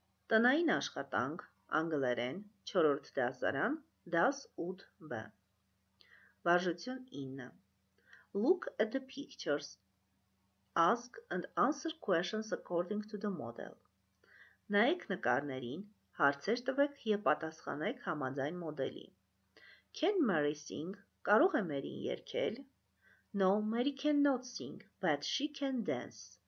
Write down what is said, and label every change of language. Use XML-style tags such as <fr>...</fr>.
<hy>Tnayin ashxatanq, angleren, 4-րդ դասարան, դաս 8b. Վարժություն 9.</hy> <en>Look at the pictures. Ask and answer questions according to the model.</en> <hy>Նայեք նկարներին, հարցեր տվեք և պատասխանեք համաձայն մոդելի.</hy> <en>Can Mary sing?</en> <hy>Կարող է Մերին երգել?</hy> <en>No, Mary cannot sing, but she can dance.</en>